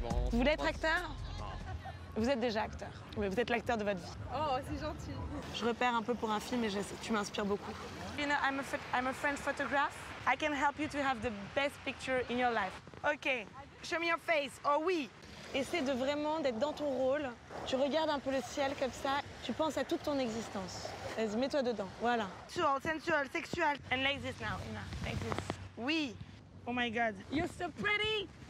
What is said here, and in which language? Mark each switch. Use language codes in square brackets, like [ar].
[fr] Vous voulez être acteur? Non. Vous êtes déjà acteur, mais vous êtes l'acteur de votre vie. Oh, c'est gentil. Je repère un peu pour un film et tu m'inspires beaucoup. [en] You know, I'm a French photographe. I can help you to have the best picture in your life. OK, show me your face. [fr] Oh oui. Essaie de vraiment d'être dans ton rôle. Tu regardes un peu le ciel comme ça. Tu penses à toute ton existence. Vas-y, mets-toi dedans. Voilà. [en] Sensual, sensual, sexual. And like this now, Ina. Like this. [fr] Oui. [en] Oh my God. You're so pretty.